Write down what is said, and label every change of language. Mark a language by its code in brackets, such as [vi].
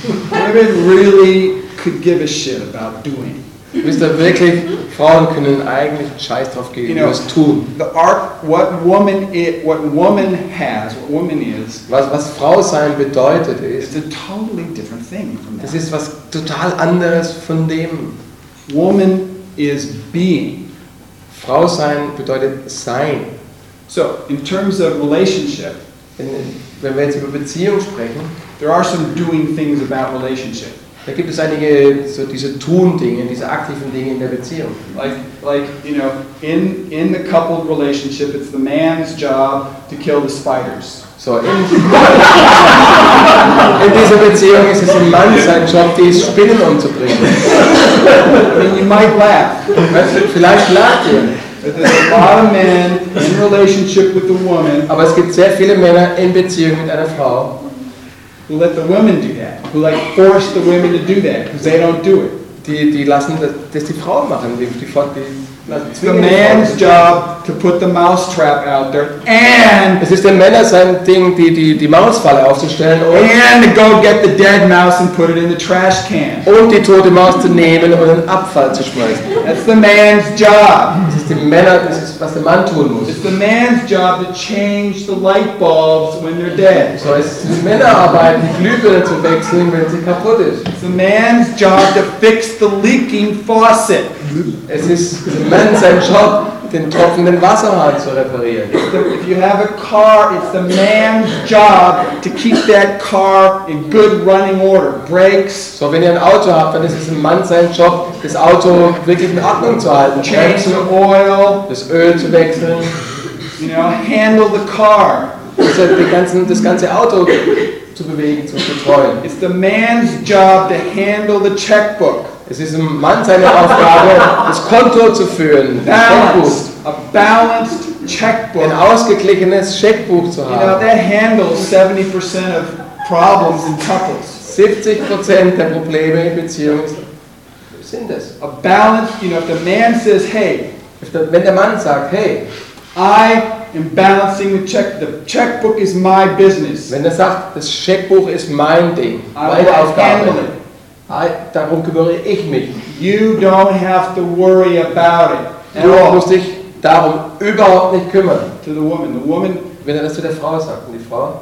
[en] Women really could give a shit about doing. [de] Wisst ihr wirklich, Frauen können eigentlich einen Scheiß drauf geben, [en] you know, [de] was tun. [en] The art, what woman it, what woman has, what woman is. [de] Was Frau sein bedeutet ist. [en] It's a totally different thing from that. [de] Das ist was total anderes von dem. [en] Woman is being. [de] Frau sein bedeutet sein. [en] So in terms of relationship, [de] wenn wir jetzt über Beziehung sprechen, [en] there are some doing things about relationship. [de] Da gibt es einige so diese Tun-Dinge, diese aktiven Dinge in der Beziehung. [en] Like you know, in the coupled relationship, it's the man's job to kill the spiders. [de] So in dieser Beziehung ist es ein Mann sein Job, die Spinnen umzubringen. [en] And you might laugh. [de] Vielleicht lacht ihr. [en] There's a lot of men in relationship with the woman. [de] Aber es gibt sehr viele Männer in Beziehung mit einer Frau. [en] Who let the women do that? Who like force the women to do that? Because they don't do it. [de] Die lassen das die Frauen machen. Die [en] it's the man's job to put the mouse trap out there and. [de] Es ist der Männer sein Ding, die Mausfalle aufzustellen. [en] And to go get the dead mouse and put it in the trash can. [de] Und die tote Maus zu nehmen und in Abfall zu schmeißen. [en] That's the man's job. [de] Es ist die Männer, das ist was der Mann tun muss. [en] It's the man's job to change the light bulbs when they're dead. [de] So es ist die Männerarbeit, die Glühbirne zu wechseln, wenn sie kaputt ist. [en] It's the man's job to fix the leaking faucet. [de] Es ist der Mann sein Job, den tropfenden Wasserhahn zu reparieren. [en] If you have a car, it's the man's job to keep that car in good running order. Brakes. [de] So wenn ihr ein Auto habt, dann ist es ein Mann sein Job, das Auto wirklich in Ordnung zu halten. [en] Change the oil. [de] Das Öl zu wechseln. [en] You know, handle the car. [de] Also das ganze Auto zu bewegen, zu betreuen. [en] It's the man's job to handle the checkbook. [de] Es ist ein Mann seine Aufgabe, das Konto zu führen. [en] A balanced checkbook. [de] Ein ausgeglichenes Scheckbuch zu haben. [en] You know, that handles 70% of problems in couples. [de] 70% der Probleme in Beziehungen sind das. [en] A balanced, you know, if the man says, hey, [de] wenn der Mann sagt, hey, [en] I am balancing the checkbook is my business. [de] Wenn er sagt, das Scheckbuch ist mein Ding, meine Aufgabe. Darum kümmere ich mich. [en] You don't have to worry about it. [de] Du musst dich darum überhaupt nicht kümmern. [en] To the woman. The woman. [de] Wenn er das zu der Frau sagt, die Frau.